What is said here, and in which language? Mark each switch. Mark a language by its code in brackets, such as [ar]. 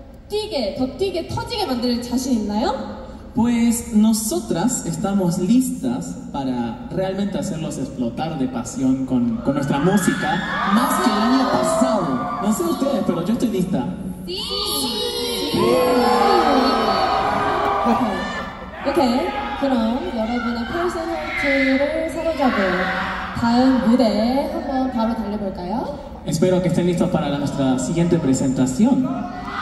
[ko] 뛰게, 더 뛰게, 터지게 만들 자신 있나요? [es] Pues nosotras estamos listas para realmente hacerlos explotar de pasión con nuestra música más que el año pasado. No sé ustedes, pero yo estoy lista. ¡Sí! Okay. Okay. [ko] 그럼 여러분의 Pulse and Heart를 사로잡고 다음 무대에 한번 바로 달려볼까요? [es] Espero que estén listos para nuestra siguiente presentación.